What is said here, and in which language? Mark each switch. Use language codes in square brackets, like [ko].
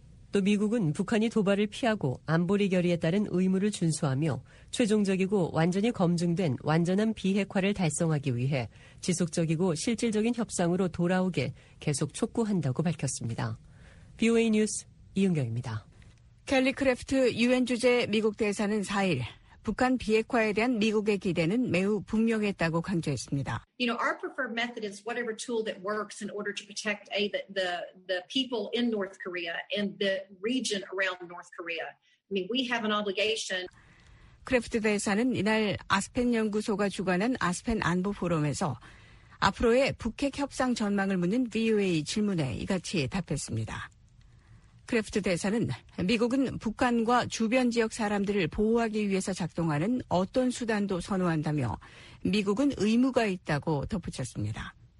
[ko] 또 미국은 북한이 도발을 피하고 안보리 결의에 따른 의무를 준수하며 최종적이고 완전히 검증된 완전한 비핵화를 달성하기 위해 지속적이고 실질적인 협상으로 돌아오길 계속 촉구한다고 밝혔습니다. VOA 뉴스 이은경입니다. 켈리 크래프트 유엔 주재 미국 대사는 4일 북한 비핵화에 대한 미국의 기대는 매우 분명했다고 강조했습니다. [en] You know, our preferred method is whatever tool that works in order to protect the people in North Korea and the region around North Korea. I mean, we have an obligation. [ko] 크래프트 대사는 이날 아스펜 연구소가 주관한 아스펜 안보 포럼에서 앞으로의 북핵 협상 전망을 묻는 VOA 질문에 이같이 답했습니다. 크래프트 대사는 미국은 북한과 주변 지역 사람들을 보호하기 위해서 작동하는 어떤 수단도 선호한다며 미국은 의무가 있다고 덧붙였습니다.